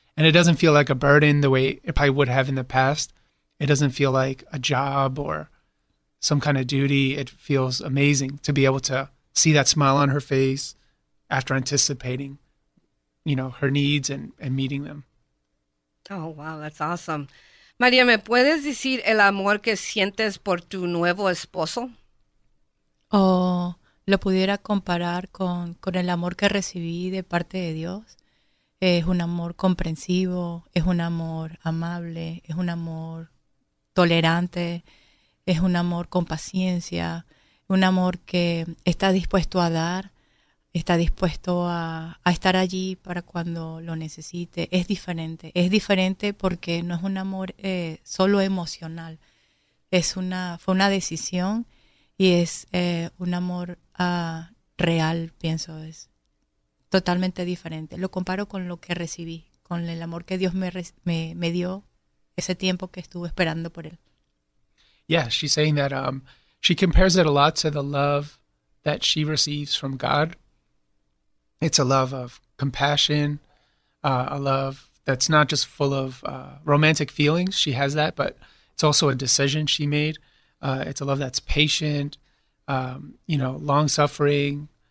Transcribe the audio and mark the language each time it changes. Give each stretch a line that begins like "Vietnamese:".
English: And it doesn't feel like a burden the way it probably would have in the past. It doesn't feel like a job or some kind of duty. It feels amazing to be able to see that smile on her face after anticipating, you know, her needs and meeting them. Oh, wow, that's awesome.
Spanish: María, ¿me puedes decir el amor que sientes por tu nuevo esposo? Oh, lo pudiera comparar con el amor que recibí de parte de Dios. Es un amor comprensivo, es un amor amable, es un amor tolerante, es un amor con paciencia, un amor que está dispuesto a dar, está dispuesto a estar allí para cuando lo necesite. Es diferente. Es diferente porque no es un amor solo emocional. Fue una decisión y es un amor real, pienso. Es totalmente diferente. Lo comparo con lo que recibí, con el amor que Dios me dio ese tiempo que estuve esperando por él.
English: Yeah, she's saying that she compares it a lot to the love that she receives from God. It's a love of compassion, a love that's not just full of romantic feelings. She has that, but it's also a decision she made. It's a love that's patient, you know, long-suffering.